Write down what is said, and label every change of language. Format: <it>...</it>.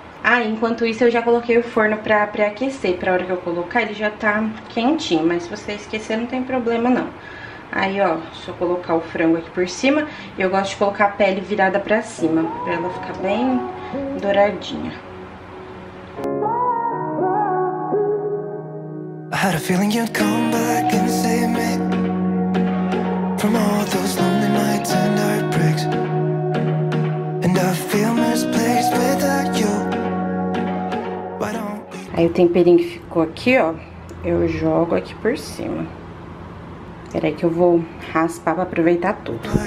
<pt>Ah, enquanto isso eu já coloquei o forno pra pré-aquecer. Pra hora que eu colocar ele já tá quentinho, mas se você esquecer não tem problema não. Aí, ó, só colocar o frango aqui por cima. E eu gosto de colocar a pele virada pra cima, pra ela ficar bem douradinha.</pt> <en>I had a feeling you'd come back and save me from all those lonely nights and heartbreaks. And I feel misplaced without you. Why don't...</en> <pt>Aí o temperinho que ficou aqui, ó, eu jogo aqui por cima. Peraí que eu vou raspar pra aproveitar tudo.</pt>